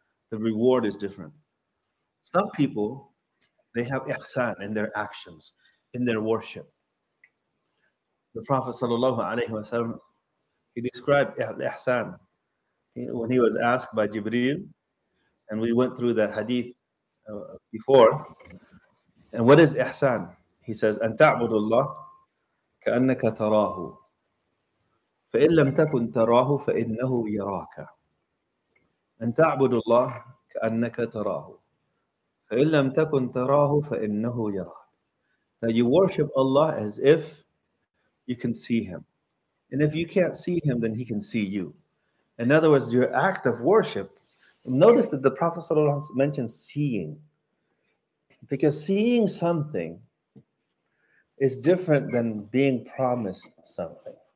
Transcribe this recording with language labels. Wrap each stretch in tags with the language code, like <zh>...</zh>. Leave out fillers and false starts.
<en>The reward is different. Some people, they have ihsan in their actions, in their worship. The Prophet sallallahu alayhi wa sallam, he described ihsan. When he was asked by Jibreel, and we went through that hadith before, and what is ihsan? He says,</en> <ar>أن تعبد الله كأنك تراه فإن لم تكن تراه فإنه يراك أن تعبد الله كأنك تراه فإن لم تكن تراه فإنه يراك.</ar> <en>That you worship Allah as if you can see Him. And if you can't see Him, then He can see you. In other words, your act of worship, notice that the Prophet ﷺ mentions seeing. Because seeing something is different than being promised something.</en>